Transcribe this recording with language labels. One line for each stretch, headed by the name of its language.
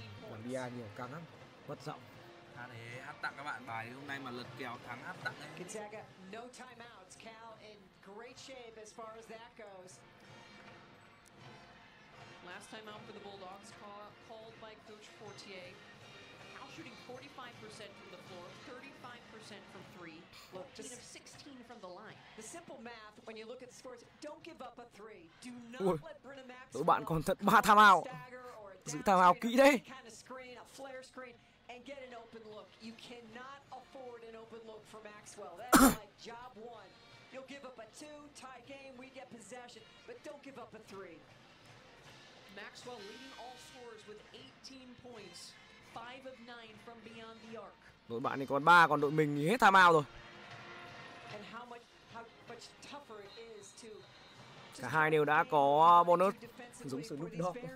Vietnamese: Quản bia nhiều căng lắm, mất giọng. Hát đấy, hát tặng các bạn bài đi. Hôm nay mà lật kèo thắng hát tặng đấy.
English: Gonzaga, no timeouts. Cal in great shape as far as that goes. Last time out for the Bulldogs, called by Coach Fortier. Cal shooting 45% from the floor, 35% from three. Look, just 16 from the line. The simple math, when you look at the scores, don't give up a three. Do not let Brenna Maxwell.
Vietnamese: Đội bạn còn thật ba timeout. Giữ timeout kỹ đấy.
English: Kind of screen, a flare screen, and get an open look. You cannot afford an open look for Maxwell. That's like job one. You'll give up a two, tie game, we get possession, but don't give up a three. Maxwell leading all scorers with 18 points, 5 of 9 from beyond the arc.
Vietnamese: Đội bạn này còn 3, còn đội mình thì hết timeout rồi.
English: And how much tougher it is to.
Vietnamese: Cả hai đều đã có bonus giống sự lúc đó.